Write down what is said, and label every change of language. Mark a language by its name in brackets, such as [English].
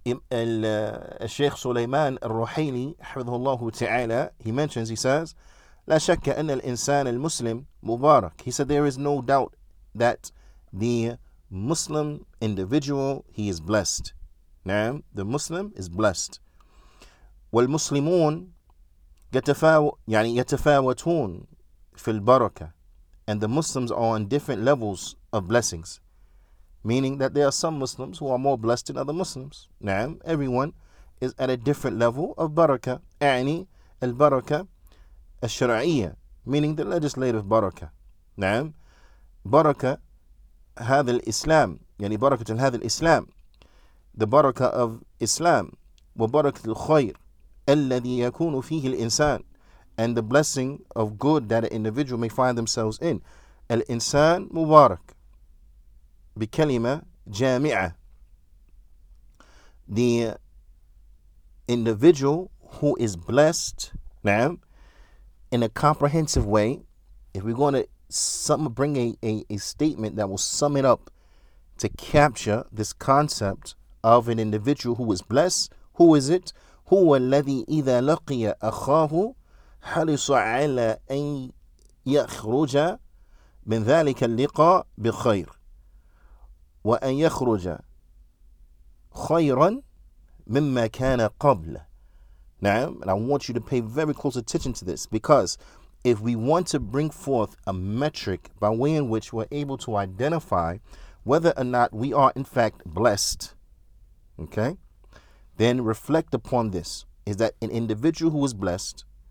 [English] Al-Shaykh Sulaiman al-Ruhayli, hafidhullahu ta'ala, he mentions, he says, [Arabic] لا شك أن الإنسان المسلم مبارك. [English] He said there is no doubt that the Muslim individual, he is blessed. [Arabic] نعم, [English] the Muslim is blessed. [Arabic] والمسلمون يتفاوتون في البركة. [English] And the Muslims are on different levels of blessings, meaning that there are some Muslims who are more blessed than other Muslims. [Arabic] نعم, [English] everyone is at a different level of بركة. [Arabic] يعني البركة الشرعية, [English] meaning the legislative بركة. [Arabic] نعم, بركة هذا الإسلام, يعني بركة هذا الإسلام, [English] the بركة of Islam, [Arabic] وبركة الخير الذي يكون فيه الإنسان, [English] and the blessing of good that an individual may find themselves in. [Arabic] الإنسان مبارك بكلمة جامعة. [English] The individual who is blessed, [Arabic] نعم, [English] in a comprehensive way, if we're going to bring a statement that will sum it up to capture this concept of an individual who is blessed. Who is it? [Arabic] هو الذي إذا لقي أخاه حرص على أن يخرج من ذلك اللقاء بخير وأن يخرج خيرا مما كان قبل. [English] Now, and I want you to pay very close attention to this, because if we want to bring forth a metric by way in which we're able to identify whether or not we are in fact blessed, okay, then reflect upon this, is that an individual who is blessed,